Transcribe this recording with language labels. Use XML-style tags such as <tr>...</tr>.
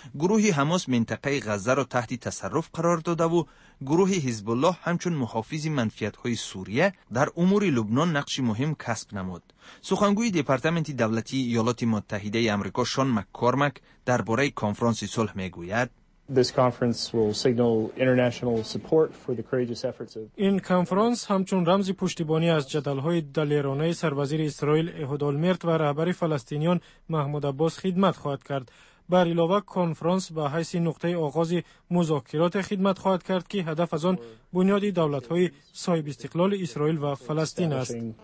<fa>گروه حماس منطقه غزه را تحت تصرف قرار داده و گروه حزب الله همچون محافظ منفیت های سوریه در امور لبنان نقش مهم کسب نمود. سخنگوی دپارتمنت دولتی ایالات متحده آمریکا شان مک‌کارمک درباره کنفرانس صلح میگوید:</fa> <en>This conference will signal international support for the courageous efforts of</en> <fa>این کنفرانس همچون رمز پشتیبانی از جدل‌های دلیرانه سروزیر اسرائیل اهود اولمرت و رهبر فلسطینیان محمود عباس خدمت خواهد کرد. بر علاوه کنفرانس به حیث نقطه آغاز مذاکرات خدمت خواهد کرد که هدف از آن بنیاد دولت‌های صاحب استقلال اسرائیل و فلسطین است.</fa>